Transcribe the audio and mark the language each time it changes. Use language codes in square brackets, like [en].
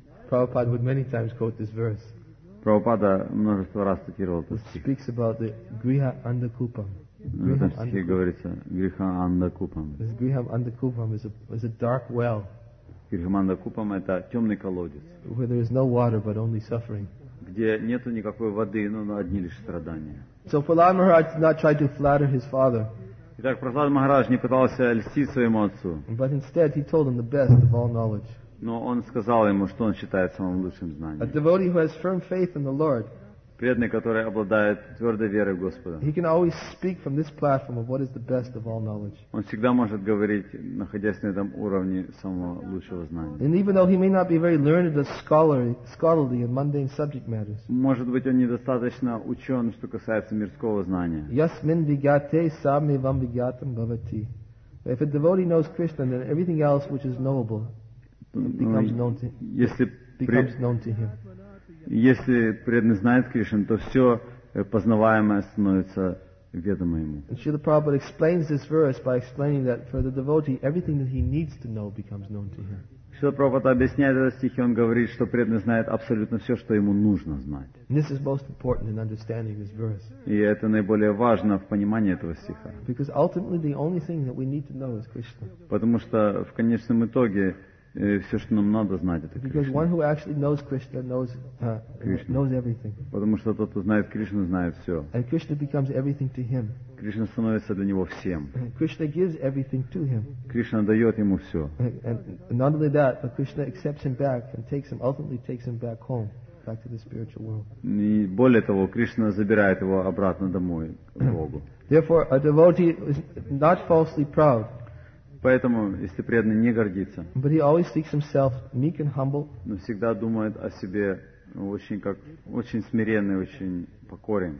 [en] Prabhupada would many times quote this verse. [ru] Prabhupada множество раз цитировал этот стих. [en] It speaks about the griha andakupam. [ru] В этом стихе говорится «Гриха Андакупам». [en] «Гриха Андакупам» is a dark well. [ru] «Гриха Андакупам» — это темный колодец. [en] Where there is no water, but only suffering. [ru] Где нету никакой воды, но одни лишь страдания. [en] So Prahlad Maharaj did not try to flatter his father. [ru] Итак, Прохлад Махарадж не пытался льстить своему отцу. [en] But instead he told him the best of all knowledge. [ru] Но он сказал ему, что он считает самым лучшим знанием. [en] A devotee who has firm faith in the Lord. [ru] Преданный, который обладает твердой верой в Господа. [en] He can always speak from this platform of what is the best of all knowledge. [ru] Он всегда может говорить, находясь на этом уровне самого лучшего знания. [en] And even though he may not be very learned or scholarly in mundane subject matters. [ru] Может быть, он недостаточно учен, что касается мирского знания. [sa] Yasmin vigate sami vam vigatam bhavati. [en] If a devotee knows Krishna, then everything else which is knowable becomes known to him. [ru] Если преданный знает Кришну, то все познаваемое становится ведомо ему. [en] And Srila Prabhupada explains this verse by explaining that for the devotee, everything that he needs to know becomes known to him. [ru] Srila Prabhupada объясняет этот стих, и он говорит, что преданный знает абсолютно все, что ему нужно знать. [en] And this is most important in understanding this verse. [ru] И это наиболее важно в понимании этого стиха. [en] Because ultimately, the only thing that we need to know is Krishna. [ru] Потому что в конечном итоге все, что нам надо знать, это [en] Because [ru] Кришна. [en] One who actually knows Krishna knows everything. [ru] Потому что тот, кто знает Кришну, знает все. [en] And Krishna becomes everything to him. [ru] Кришна становится для него всем. [en] Krishna gives everything to him. [ru] Кришна дает ему все. [en] And not only that, but Krishna accepts him back and ultimately takes him back home, back to the spiritual world. [ru] И более того, Кришна забирает его обратно домой к Богу. [en] Therefore, a devotee is not falsely proud. [ru] Поэтому, если преданный не гордится, [en] but he always thinks himself meek and humble, [ru] но всегда думает о себе очень смиренный, очень покорен,